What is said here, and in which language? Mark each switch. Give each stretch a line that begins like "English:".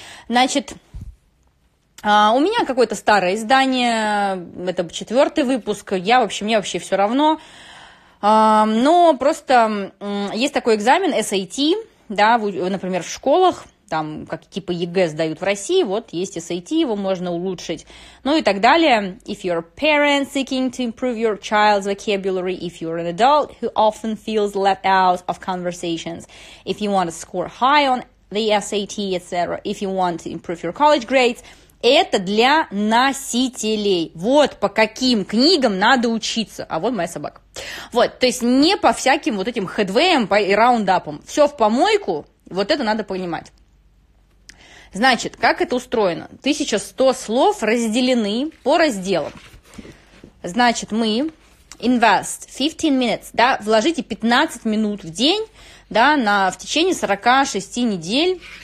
Russian: Значит, у меня какое-то старое издание, это 4-й выпуск, мне вообще все равно, но просто есть такой экзамен SAT, да, например, в школах, там, как типа ЕГЭ сдают в России, вот есть SAT, его можно улучшить, ну и так далее.
English: If your parents seeking to improve your child's vocabulary, if you're an adult who often feels left out of conversations, if you want to score high on the SAT, etc., if you want to improve your college grades...
Russian: Это для носителей. Вот по каким книгам надо учиться. А вот моя собака. Вот, то есть не по всяким вот этим хедвеям и раундапам. Все в помойку, вот это надо понимать. Значит, как это устроено? 1100 слов разделены по разделам. Значит, мы
English: invest 15 minutes,
Russian: да, вложите 15 минут в день, да, в течение 46 недель.